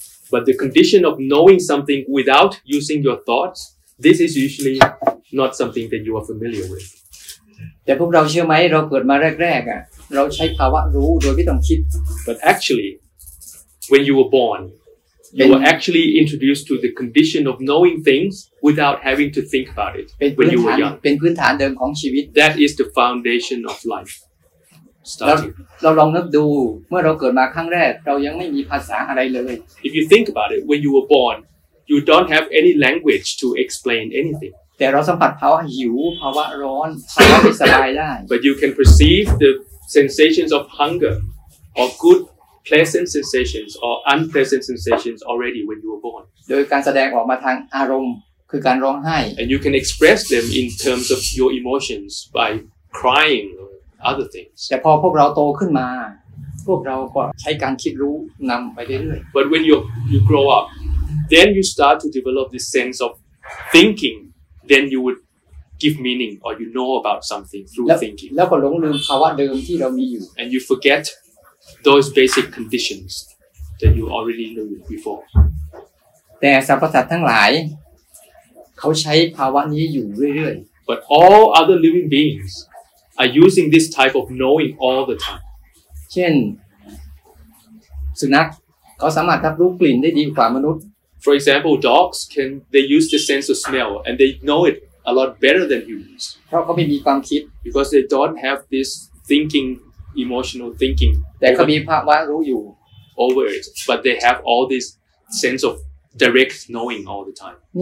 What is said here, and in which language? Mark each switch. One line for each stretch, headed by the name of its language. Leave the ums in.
English: But the condition of knowing something without using your thoughts, this is usually not something that you are familiar with.
Thai: แต่พวกเราเชื่อไหมเราเกิดมาแรกๆอ่ะเราใช้ภาวะรู้โดยไม่ต้องคิด
English: but actually when you were born you were actually introduced to the condition of knowing things without having to think about it when you were young
Thai: เป็นพื้นฐานเดิมของชีวิต
English: that is the foundation of life
Thai: เราเราลองนับดูเมื่อเราเกิดมาครั้งแรก เรายังไม่มีภาษาอะไรเลย
English: if you think about it when you were born you don't have any language to explain anything
Thai: แต่เราสัมผัสภาวะหิวภาวะร้อนภาวะไม่สบายได้
English: But you can perceive the sensations of hunger or good pleasant sensations or unpleasant sensations already when you were born
Thai: โดยการแสดงออกมาทางอารมณ์คือการร้องไห้
English: And you can express them in terms of your emotions by crying or other things
Thai: แต่พอพวกเราโตขึ้นมา พวกเราก็ใช้การคิดรู้นำไปเรื่อย
English: But when you you grow up then you start to develop this sense of thinking then you would give meaning or you know about something through thinking
Thai: แล้วก็หลงลืมภาวะเดิมที่เรามีอยู่
English: and you forget those basic conditions that you already knew before
Thai: แต่สรรพสัตว์ทั้งหลาย เขาใช้ภาวะนี้อยู่เรื่อยๆ
English: but all other living beings are using this type of knowing all the time
Thai: เช่น สุนัขเขา สามารถ รับรู้กลิ่นได้ดีกว่ามนุษย์
English: For example, dogs can they use the sense of smell and they know it a lot better than humans. Because they don't have this thinking, emotional thinking. Over, over it. But they have all this sense of direct knowing all the time.